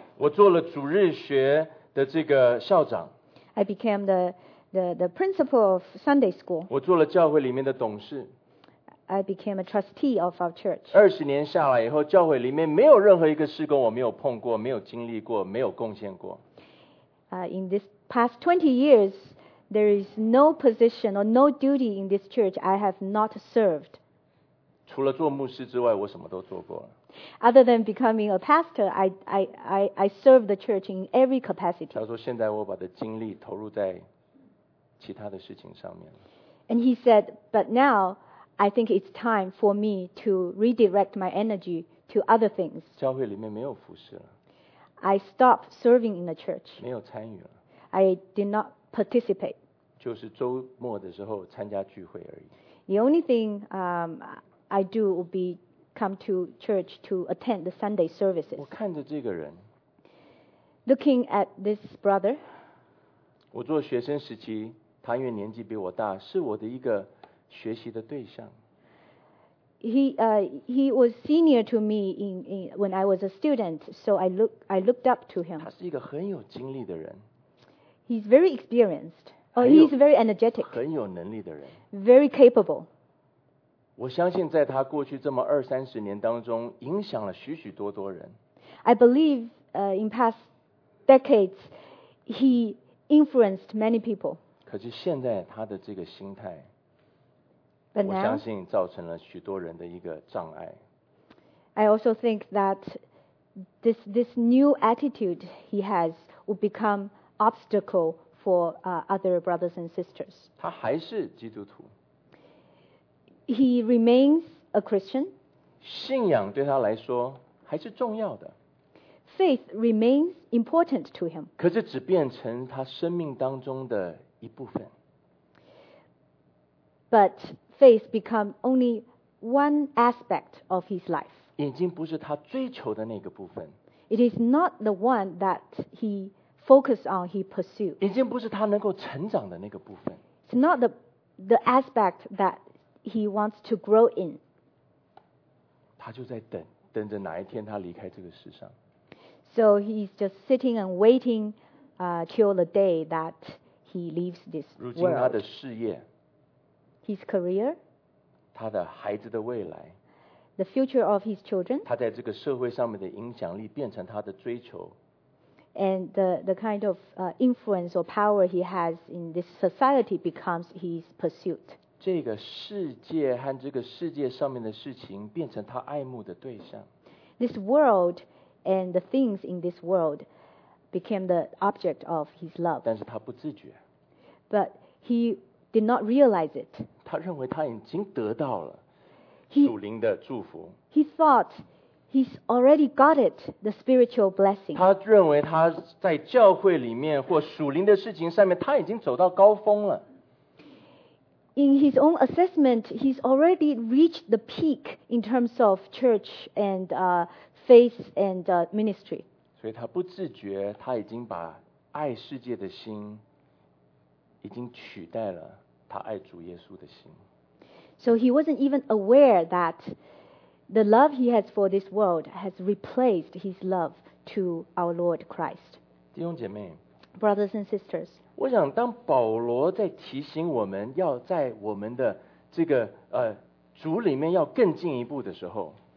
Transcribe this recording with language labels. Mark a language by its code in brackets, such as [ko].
[zh] 我做了主日学的这个校长。 [en] I became the principal of Sunday school. [zh] 我做了教会里面的董事。 [en] I became a trustee of our church. [zh] 20年下来以后，教会里面没有任何一个事工我没有碰过，没有经历过，没有贡献过。 [en] In this past 20 years, there is no position or no duty in this church I have not served. [zh] 除了做牧师之外，我什么都做过。 [en] Other than becoming a pastor, I serve the church in every capacity. [zh] 他说，现在我把的精力投入在其他的事情上面。 [en] And he said, but now,I think it's time for me to redirect my energy to other things. [zh] 教会里面没有服事了。 [en] I stopped serving in the church. [zh] 没有参与了。 [en] I did not participate. [zh] 就是周末的时候参加聚会而已。 [en] The only thing I do would be come to church to attend the Sunday services. [zh] 我看着这个人。 [en] Looking at this brother. [zh] 我做学生时期，他因为年纪比我大，是我的一个学习的对象。 [en] He was senior to me in when I was a student, so I looked up to him. [zh] 他是一个很有精力的人。 [en] He's very experienced. He's very energetic. [zh] 很有能力的人。 [en] Very capable. [zh] 我相信在他过去这么二三十年当中，影响了许许多多人。 [en] I believe in past decades, he influenced many people. [zh] 可是现在他的这个心态。 [en] But now, [zh] 我相信造成了许多人的一个障碍。 [en] I also think that this new attitude he has will become obstacle for other brothers and sisters. [zh] 他还是基督徒。 [en] He remains a Christian. [zh] 信仰对他来说还是重要的。 [en] Faith remains important to him. [zh] 可是只变成他生命当中的一部分。 [en] But faith become only one aspect of his life. [zh] 已经不是他追求的那个部分。 [en] It is not the one that he focus on, he pursue. [zh] 已经不是他能够成长的那个部分。 [en] It's not the aspect that he wants to grow in. [zh] 他就在等，等着哪一天他离开这个世上。 [en] So he's just sitting and waiting, till the day that he leaves this world. [zh] 如今他的事业。 [en] His career, [zh] 他的孩子的未来 [en] ，the future of his children， [zh] 他在这个社会上面的影响力变成他的追求 [en] ，and the kind of influence or power he has in this society becomes his pursuit。 [zh] 这个世界和这个世界上面的事情变成他爱慕的对象。 [en] This world and the things in this world became the object of his love。 [zh] 但是他不自觉。 [en] But he did not realize it. [zh] 他认为他已经得到了属灵的祝福。 [en] He thought he's already got it, the spiritual blessing. [zh] 他认为他在教会里面或属灵的事情上面他已经走到高峰了。 [en] In his own assessment, he's already reached the peak in terms of church and faith and ministry. [zh] 所以他不自觉他已经把爱世界的心已经取代了他爱主耶稣的心。 [en] So he wasn't even aware that the love he has for this world has replaced his love to our Lord Christ. [zh] 弟兄姐妹 [en] ，brothers and sisters， [zh] 我想当保罗在提醒我们要在我们的这个主里面要更进一步的时候。